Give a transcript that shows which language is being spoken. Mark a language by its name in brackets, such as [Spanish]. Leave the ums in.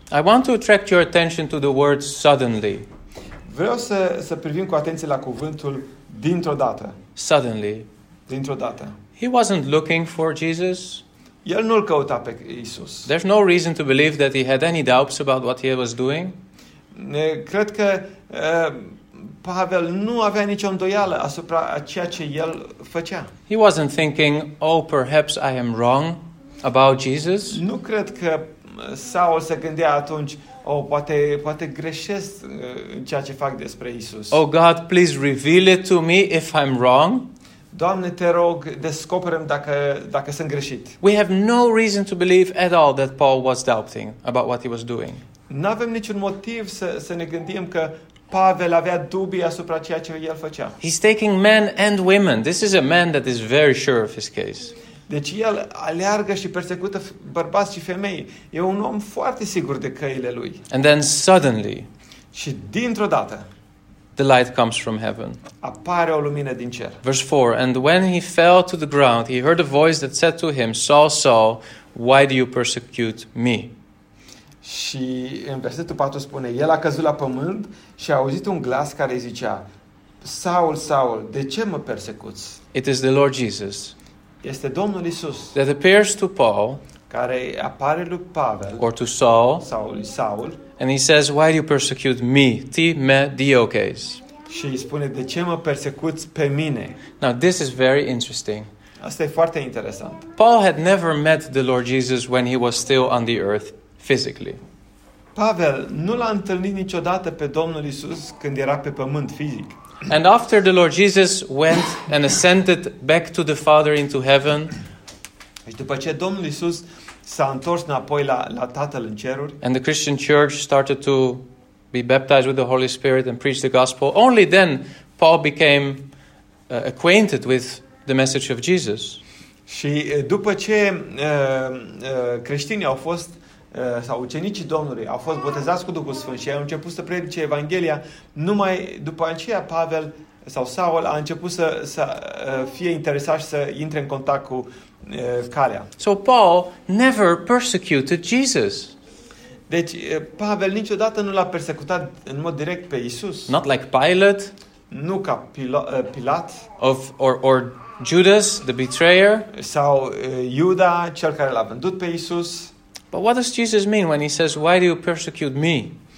[English] I want to attract your attention to the word suddenly. [Romanian] Vreau să, să privim cu atenție la cuvântul dintr-o dată. [English] Suddenly. [Romanian] Dintr-o dată. [English] He wasn't looking for Jesus. [Romanian] El nu-l căuta pe Isus. [English] There's no reason to believe that he had any doubts about what he was doing. [Romanian] Cred că Pavel nu avea nicio îndoială asupra a ceea ce el făcea. [English] He wasn't thinking, oh, perhaps I am wrong about Jesus. [Romanian] Nu cred că Saul se gândea atunci, oh, poate, poate greșesc în ceea ce fac despre Isus. [English] Oh God, please reveal it to me if I'm wrong. [Romanian] Doamne, te rog, descoperim dacă dacă sunt greșit. [English] We have no reason to believe at all that Paul was doubting about what he was doing. [Romanian] Nu avem niciun motiv să să ne gândim că Pavel avea dubii asupra ceea ce el făcea. [English] He's taking men and women. This is a man that is very sure of his case. [Romanian] Deci el aleargă și persecută bărbați și femei. E un om foarte sigur de căile lui. [English] And then suddenly. [Romanian] Și dintr-o dată [English] the light comes from heaven. [Romanian] Apare o lumină din cer. [English] Verse 4 And when he fell to the ground, he heard a voice that said to him, Saul, Saul, why do you persecute me? [Romanian] Și în versetul 4 spune, el a căzut la pământ și a auzit un glas care zicea, Saul, Saul, de ce mă persecuți? [English] It is the Lord Jesus. [Romanian] Este Domnul Isus. [English] That appears to Paul. [Romanian] Care apare lui Pavel. [English] Or to Saul. [Romanian] Saul, Saul. [English] And he says, Why do you persecute me? [Greek] Ti me diokes. [Romanian] Și spune, de ce mă persecuți pe mine? [English] Now, this is very interesting. [Romanian] Asta e foarte interesant. [English] Paul had never met the Lord Jesus when he was still on the earth physically. [Romanian] Pavel nu l-a întâlnit niciodată pe Domnul Isus când era pe pământ fizic. [English] And after the Lord Jesus went and ascended back to the Father into heaven, [Romanian] Și după ce Domnul Isus s-a întors înapoi la, la Tatăl în ceruri, [English] and the Christian church started to be baptized with the Holy Spirit and preach the gospel, only then Paul became uh, acquainted with the message of Jesus. [Romanian] Și după ce uh, uh, creștinii au fost uh, sau ucenicii Domnului au fost botezați cu Duhul Sfânt și au început să predice Evanghelia, numai după aceea Pavel sau Saul a început să, să uh, fie interesat și să intre în contact cu calea. [English] Uh, so Paul never persecuted Jesus. [Romanian] Deci uh, Pavel niciodată nu l-a persecutat în mod direct pe Isus. [English] Not like Pilate. [Romanian] Nu ca Pil- Pilat. [English] Of, or, or Judas, the betrayer. [Romanian] Sau Iuda, cel care l-a vândut pe Isus. [English] But what does Jesus mean when he says, why do you persecute me?